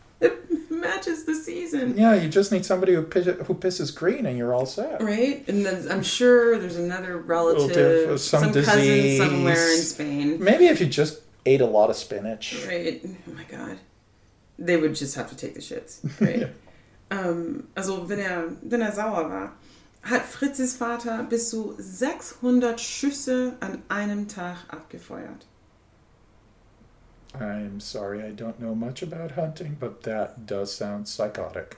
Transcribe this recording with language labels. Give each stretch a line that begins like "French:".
English: It matches the season. Yeah, you just need somebody who pisses green and you're all set. Right? And then I'm sure there's another relative, some disease. Cousin somewhere in Spain. Maybe if you just ate a lot of spinach. Right. Oh my God. They would just have to take the shits. Right?
German: Yeah. Also, wenn er sauer war, hat Fritz's Vater bis zu 600 Schüsse an einem Tag abgefeuert.
English: I'm sorry, I don't know much about hunting, but that does sound psychotic.